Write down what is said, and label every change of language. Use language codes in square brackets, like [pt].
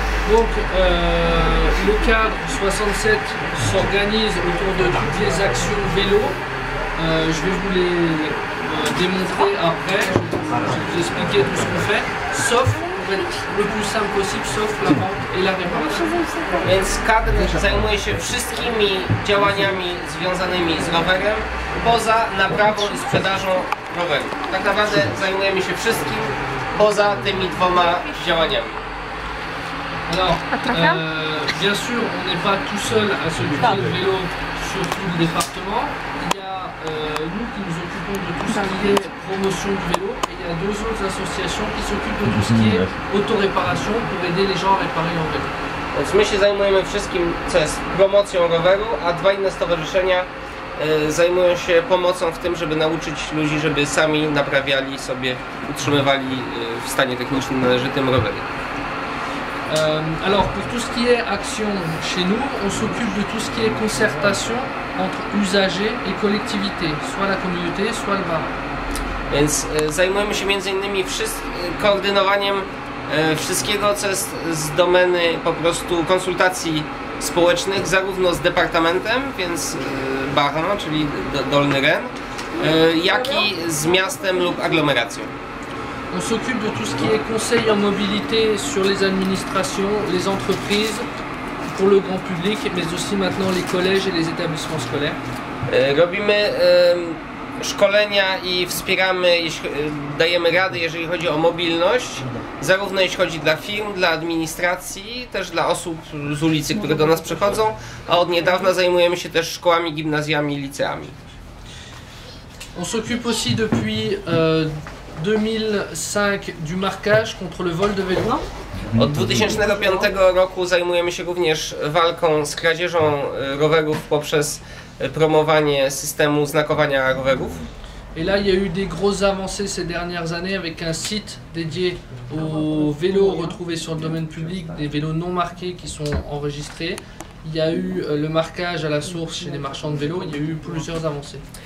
[fr] Donc le cadre 67 s'organise autour de toutes les actions vélo. Je vais vous les démontrer après. Je vais vous expliquer tout ce qu'on fait, sauf pour être le plus simple possible, sauf la vente et la réparation. [pl] Więc cadre zajmuje się wszystkimi działaniami związanymi z rowerem, poza naprawą i sprzedażą roweru. Tak naprawdę zajmujemy się wszystkim poza tymi dwoma działaniami. [fr] Alors, bien sûr, on n'est pas tout seul à s'occuper du vélo sur tout le département. Il y a nous qui nous occupons de tout ce qui est promotion du vélo. Et il y a deux autres associations qui s'occupent de tout ce qui est autoréparation pour aider les gens à réparer leur vélo. Donc, [pl] my się zajmujemy wszystkim, co jest promocją roweru, a dwa inne stowarzyszenia zajmują się pomocą w tym, żeby nauczyć ludzi, żeby sami naprawiali sobie, utrzymywali w stanie technicznym należytym rowery. [fr] Alors pour tout ce qui est action chez nous, on s'occupe de tout ce qui est concertation entre usagers et collectivités, soit la communauté, soit le barrage. [pl] Więc zajmujemy się między innymi koordynowaniem wszystkiego, co jest z domeny po prostu konsultacji społecznych, zarówno z departamentem, więc Bachem, czyli Dolny Ren, jak i z miastem lub aglomeracją. [fr] On s'occupe de tout ce qui est conseil en mobilité sur les administrations, les entreprises, pour le grand public, mais aussi maintenant les collèges et les établissements scolaires. [pl] Robimy szkolenia i wspieramy, dajemy rady, jeżeli chodzi o mobilność, zarówno jeśli chodzi dla firm, dla administracji, też dla osób z ulicy, które do nas przychodzą, a od niedawna zajmujemy się też szkołami, gimnazjami, liceami. [fr] On s'occupe aussi depuis 2005 du marquage contre le vol de vélo. [pl] Od 2005 roku zajmujemy się również walką z kradzieżą rowerów poprzez promowanie systemu znakowania rowerów. [fr] Et là, il y a eu des grosses avancées ces dernières années avec un site dédié aux vélos retrouvés sur le domaine public, des vélos non marqués qui sont enregistrés. Il y a eu le marquage à la source chez les marchands de vélos. Il y a eu plusieurs avancées.